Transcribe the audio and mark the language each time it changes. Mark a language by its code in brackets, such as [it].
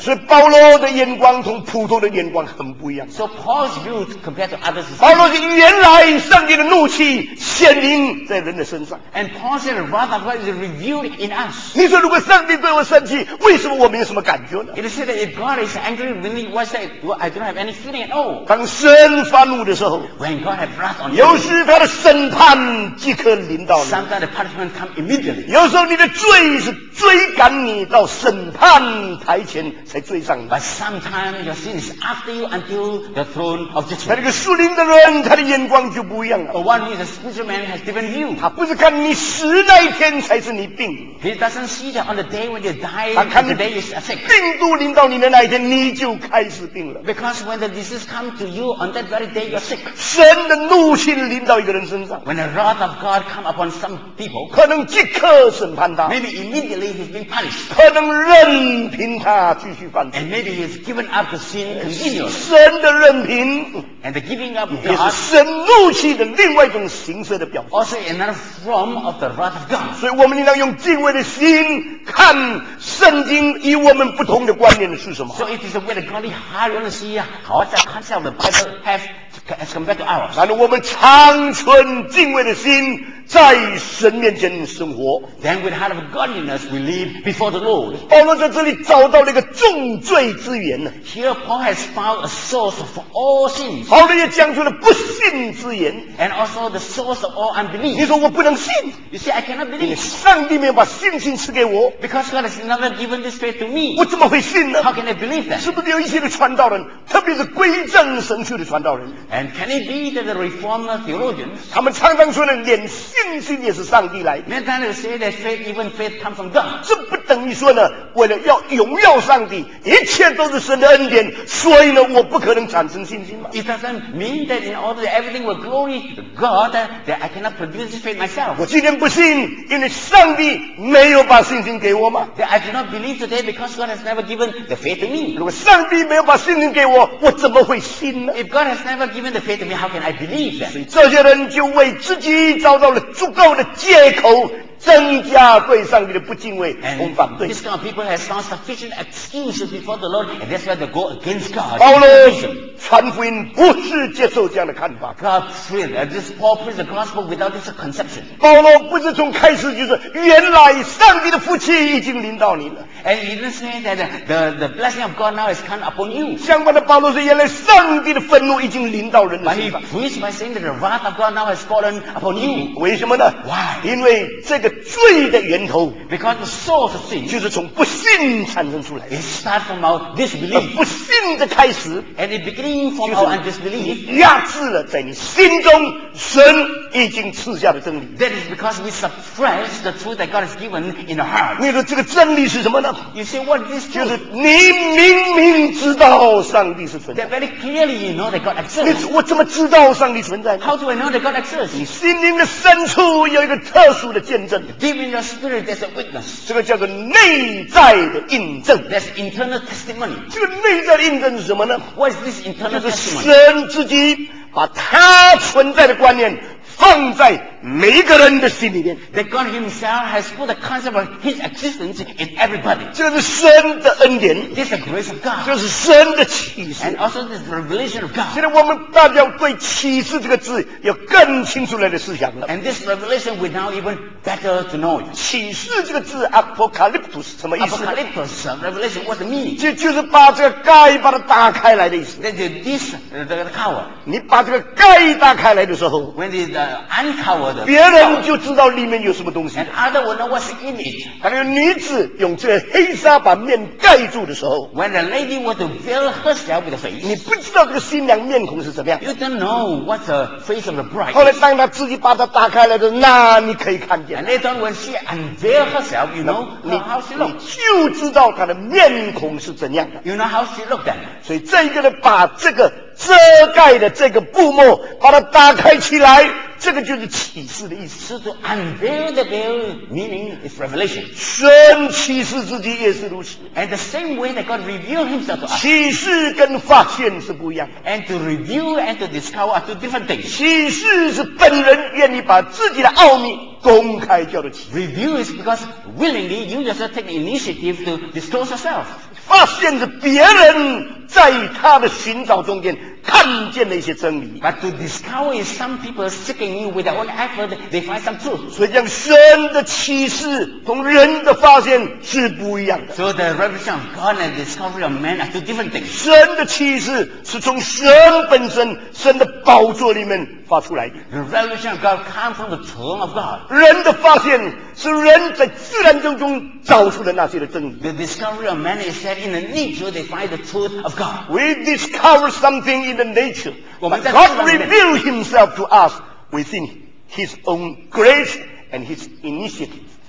[zh] 所以保罗的眼光同普通的眼光很不一样。 [en] So Paul's view compared to others. [zh] 保罗是原来上帝的怒气显灵在人的身上。 [en] And Paul said, rather what is revealed in us. [zh] 你说如果上帝对我生气，为什么我没有什么感觉呢 [en] ？It is said that if God is angry, really, what's that? Well, I don't have any feeling at all. [zh] 当神发怒的时候 [en] ，When God has wrath on you, [zh] 有时他的审判即刻临到你。 [en] Sometimes the punishment comes immediately. [zh] 有时候你的罪是追赶你到审判台前才追上你。 [en] But sometimes your sin is after you until the throne of judgment. [zh] 那个属灵的人，他的眼光就不一样了。 [en] One who is a spiritual man has different view. [zh] 他不是看你死那一天才是你病。 [en] He doesn't see that on the day when you die, the day is sick. [zh] 病毒临到你的那一天，你就开始病了。 [en] Because when the disease comes to you on that very day, you're sick. [zh] 神的怒气临到一个人身上。 [en] When the wrath of God comes upon some people, [zh] 可能即刻审判他。 [en] Maybe immediately he's been punished. [zh] 可能任凭他继续犯罪。 [en] And maybe he's given up the sin continually. [zh] 神的任凭。 [en] And the giving up of God. [zh] 也是神怒气的另外一种形式的表现。 [en] Also another form of the wrath of God. [zh] 所以我们应当用敬畏的心看圣经与我们不同的观念是什么。 [en] So it is a way of godly heart to see how the concept of the Bible have as compared to ours. [zh] 然后我们长存敬畏的心在神面前生活。 [en] Then with heart of godliness we live before the Lord. [zh] 保罗在这里找到了一个重罪之源。 [en] Here Paul has found a source for all sins. [zh] 保罗也讲出了不信之源。 [en] And also the source of all unbelief. [zh] 你说我不能信。 [en] You see, I cannot believe. [zh] 上帝没有把信心赐给我。 [en] Because God has never given this faith to me. [zh] 我怎么会信呢 [en] ？How can I believe that? [zh] 是不是有一些的传道人，特别是归正神学的传道人 [en] ？And can it be that the reformed theologians? [zh] 他们常常说呢，连信心也是上帝来的。 [en] Many times say that faith, even faith, comes from God. [zh] 这不等于说呢，为了要荣耀上帝，一切都是神的恩典，所以呢，我不可能产生信心嘛 [en] ？It doesn't mean that in order that everything will glory to God, that I cannot produce this faith myself. [zh] 我今天不信，因为上帝没有把信心给我嘛。 [en] That I do not believe today because God has never given the faith to me. [zh] 如果上帝没有把信心给我，我怎么会信呢 [en] ？If God has never given the faith to me, how can I believe that? [zh] 所以这些人就为自己找到了足够的借口，增加对上帝的不敬畏，不反对。 [en] This kind of people has found sufficient excuses before the Lord, and that's why they go against God. [zh] 保罗传福音不是接受这样的看法。 [en] God said, "And this Paul preached the gospel without this conception." [zh] 保罗不是从开始就是原来上帝的福气已经临到你了。 [en] And he didn't say that the blessing of God now has come upon you. [zh] 相反的，保罗是原来上帝的愤怒已经临到人的身上。 [en] But he preached by saying that the wrath of God now has fallen upon you. [zh] 为什么呢 [en] ？Why? [zh] 因为这个罪的源头 [en] ，because the source of sin [zh] 就是从不信产生出来。 [en] It starts from our disbelief. [zh] 不信的开始 [en] ，and it begins from our unbelief. [zh] 压制了在你心中神已经赐下的真理。 [en] That is because we suppress the truth that God has given in our heart. [zh] 你说这个真理是什么呢？ [en] You see what this truth? [zh] 就是你明明知道上帝是存在。 [en] That very clearly you know that God exists. [zh] 我怎么知道上帝存在 [en] ？How do I know that God exists? [zh] 你心灵的深处有一个特殊的见证。 [en] Deep in your spirit, there's a witness. [zh] 这个叫做内在的印证。 [en] That's internal testimony. [zh] 这个内在的印证是什么呢 [en] ？What is this internal testimony? [zh] 就是神自己把他存在的观念放在每一个人的心里面。 [en] That God Himself has put the concept of His existence in everybody. [zh] 这是神的恩典。 [en] This is the grace of God. [zh] 这是神的启示。 [en] And also this revelation of God. [zh] 现在我们大家对启示这个字有更清楚来的思想了。 [en] And this revelation we now even better to know it. [zh] 启示这个字 Apocalyptus 什么意思 [en] ？Apocalyptus revelation what the meaning? [zh] 就是把这个盖把它打开来的意思。 [en] That this the cover. [zh] 你把这个盖打开来的时候 [en] ，When the uncover 的， [zh] 别人就知道里面有什么东西。 [en] And other will know what's in it. [zh] 还有女子用这黑纱把面盖住的时候 [en] ，When the lady was to veil herself with the face， [zh] 你不知道这个新娘面孔是怎么样。 [en] You don't know what the face of the bride。 [zh] 后来当她自己把它打开来的，那你可以看见。 [en] And later on when she unveiled herself, you know how she looked。 [zh] 你就知道她的面孔是怎样的。 [en] You know how she looked then。 [zh] 所以这一个人把这个遮盖的这个布幕把它打开起来，这个就是启示的意思。 [en] So to unveil the veil, meaning is revelation. [zh] 神启示自己也是如此。 [en] And the same way that God revealed himself to us. [zh] 启示跟发现是不一样的。 [en] And to reveal and to discover are two different things. [zh] 启示是本人愿意把自己的奥秘公开叫做启示。 [en] Reveal is because willingly you yourself take the initiative to disclose yourself. [zh] 发现着别人在他的寻找中间看见了一些真理。 [en] But to discover is some people seeking you with their own effort, they find some truth. [zh] 所以将神的启示同人的发现是不一样的。 [en] So the revelation of God and the discovery of man are two different things. [zh] 神的启示是从神本身，神的宝座里面发出来的。 [en] The revelation of God comes from the throne of God. [zh] 人的发现是人在自然当中找出了那些的真理。 [en] The discovery of man is that in the nature they find the truth of God. We discover something in the nature. But God revealed himself to us within his own grace and his initiative.